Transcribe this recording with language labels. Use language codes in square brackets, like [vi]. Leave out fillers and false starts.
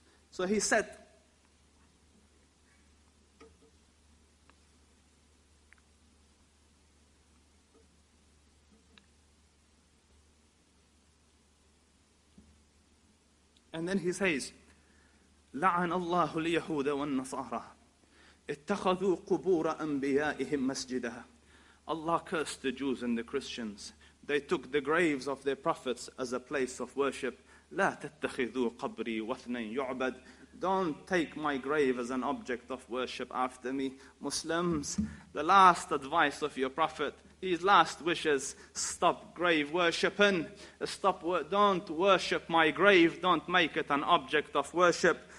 [en] So he said, and then he says, [ar] لعن الله اليهود والنصارى اتخذوا قبور أنبيائهم مسجدها. [en] Allah cursed the Jews and the Christians. They took the graves of their prophets as a place of worship. [ar] لا تتخذوا قبري وثنين يعبد. [en] Don't take my grave as an object of worship after me. Muslims, the last advice of your prophet, his last wishes, stop grave worshipping. Stop. Don't worship my grave. Don't make it an object of worship.